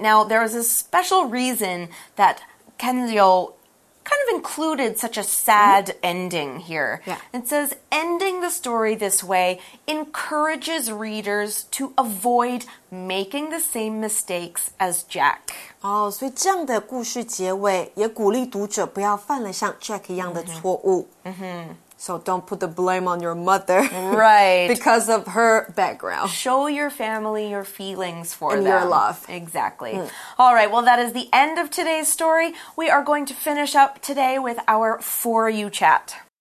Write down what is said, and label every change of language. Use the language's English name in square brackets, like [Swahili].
[English] Now, there is a special reason that Ken Liu kind of included such a sad ending here. Yeah. It says, ending the story this way encourages readers to avoid making the same mistakes as Jack. [Chinese] Oh, 所以这样的故事结尾也鼓励读者不要犯了像 Jack 一样的错误。 Mm-hmm. Mm-hmm. [English] So don't put the blame on your mother. Right. Because of her background. Show your family your feelings for and them. And your love. Exactly. Mm. All right. Well, that is the end of today's story. We are going to finish up today with our For You Chat.